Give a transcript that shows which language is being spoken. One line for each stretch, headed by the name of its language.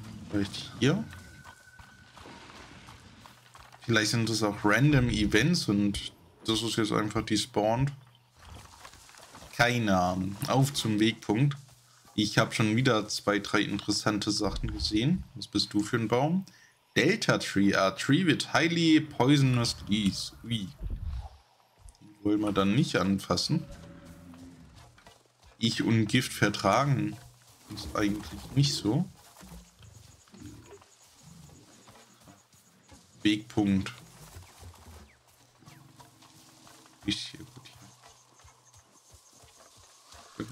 German: Vielleicht hier. Vielleicht sind das auch random Events und das ist jetzt einfach despawned. Keine Ahnung. Auf zum Wegpunkt. Ich habe schon wieder zwei, drei interessante Sachen gesehen. Was bist du für ein Baum?
English: Delta Tree, a tree with highly poisonous leaves.
German: Ui. Den wollen wir dann nicht anfassen. Ich und Gift vertragen ist eigentlich nicht so. Wegpunkt. Ist hier gut hier.